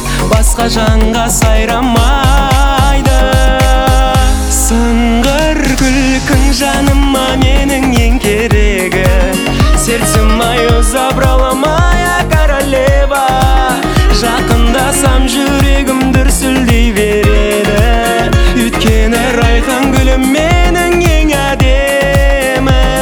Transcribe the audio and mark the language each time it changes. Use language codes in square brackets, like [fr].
[kk] Басқа жанға сайрамайды. Сыңғыр күлкің жаныма менің ең керегі. [ru] Сердце мое забрала моя королева. [kk] Жақындасам жүрегім дүрсілдей береді. Өйткені райхан гүлім менің ең әдемі.